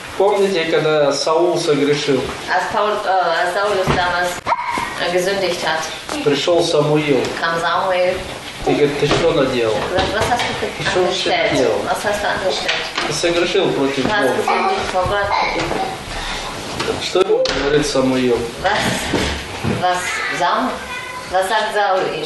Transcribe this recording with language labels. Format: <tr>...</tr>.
<ru>Помните, когда Саул согрешил?</ru> <de>Als Saul damals gesündigt hat.</de> <ru>Пришел Самуил.</ru> <de>Kam Samuel.</de> <ru>И говорит, ты что наделал?</ru> <de>Was hast du angestellt? Was hast du angestellt?</de> <ru>Ты согрешил против Бога.</ru> <de>Was hast du vor Gott</de> <ru>getan? Что ему говорит Самуил?</ru> <de>Was Was sagt Saul ihm?</de>